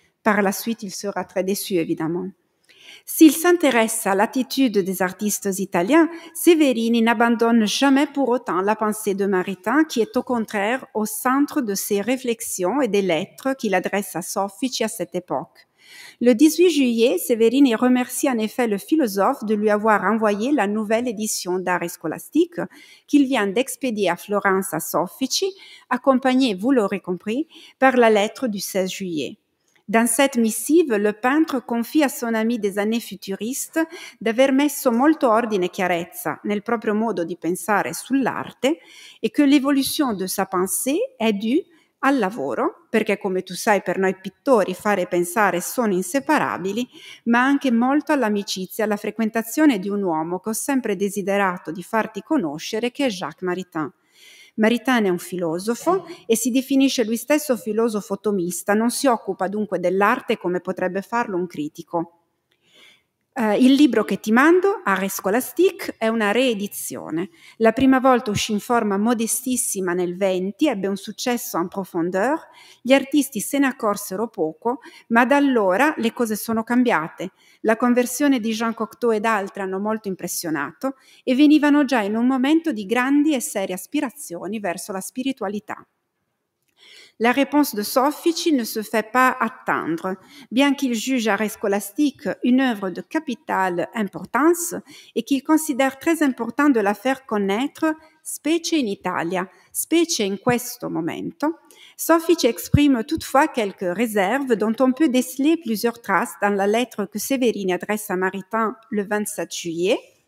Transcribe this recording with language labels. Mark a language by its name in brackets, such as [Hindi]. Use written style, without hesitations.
[French] Par la suite, il sera très déçu, évidemment. S'il s'intéresse à l'attitude des artistes italiens, Severini n'abandonne jamais pour autant la pensée de Maritain, qui est au contraire au centre de ses réflexions et des lettres qu'il adresse à Soffici à cette époque. Le 18 juillet, Severini remercie en effet le philosophe de lui avoir envoyé la nouvelle édition d'Art et Scolastique qu'il vient d'expédier à Florence à Soffici, accompagnée, vous l'aurez compris, par la lettre du 16 juillet. Dans cette missive, le peintre confie à son ami des années futuristes [Italian] d'aver messo molto ordine e chiarezza nel proprio modo di pensare sull'arte e che [French] l'évolution de sa pensée est due [Italian] al lavoro, perché come tu sai per noi pittori fare e pensare sono inseparabili, ma anche molto all'amicizia, alla frequentazione di un uomo che ho sempre desiderato di farti conoscere, che è Jacques Maritain. Maritain è un filosofo e si definisce lui stesso filosofo tomista, non si occupa dunque dell'arte come potrebbe farlo un critico. Il libro che ti mando, Art Scolastique, è una reedizione. La prima volta uscì in forma modestissima nel 20, ebbe un successo [French] en profondeur, [Italian] gli artisti se ne accorsero poco, ma da allora le cose sono cambiate. La conversione di Jean Cocteau ed altri hanno molto impressionato e venivano già in un momento di grandi e serie aspirazioni verso la spiritualità. [French] La réponse de Soffici ne se fait pas attendre. Bien qu'il juge Art Scolastique une œuvre de capitale importance et qu'il considère très important de la faire connaître, [Italian] specie in Italia, specie in questo momento, [French] Soffici exprime toutefois quelques réserves dont on peut déceler plusieurs traces dans la lettre que Severini adresse à Maritain le 27 juillet.